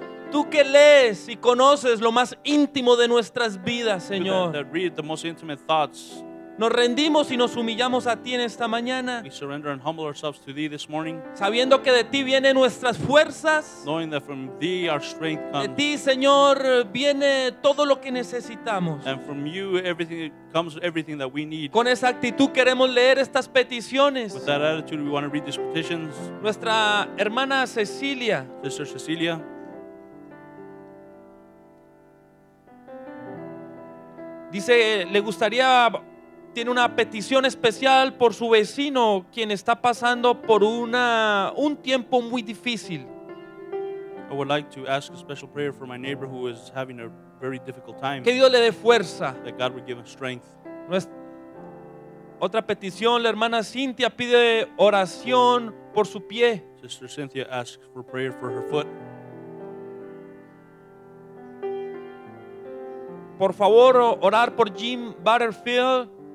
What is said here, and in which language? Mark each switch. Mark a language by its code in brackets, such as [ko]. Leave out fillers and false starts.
[es] Tú que lees y conoces lo más íntimo de nuestras vidas, Señor. [en] That read the most intimate thoughts. [es] Nos rendimos y nos humillamos a ti en esta mañana. [en] We surrender and humble ourselves to thee this morning. [es] Sabiendo que de ti vienen nuestras fuerzas. [en] Knowing that from thee our strength comes. [es] De ti, Señor, viene todo lo que necesitamos. [en] And from you everything comes, everything that we need. [es] Con esa actitud queremos leer estas peticiones. [en] With that attitude we want to read these petitions. [es] Nuestra hermana Cecilia. [en] Sister Cecilia. [es] Dice, le gustaría, tiene una petición especial por su vecino, quien está pasando por un tiempo muy difícil. [en] I would like to ask a special prayer for my neighbor who is having a very difficult time. [es] Que Dios le dé fuerza. [en] That God would give him strength. [es] Otra petición, la hermana Cynthia pide oración por su pie. [en] Sister Cynthia asks for prayer for her foot. [es] Por favor, orar por Jim Butterfield.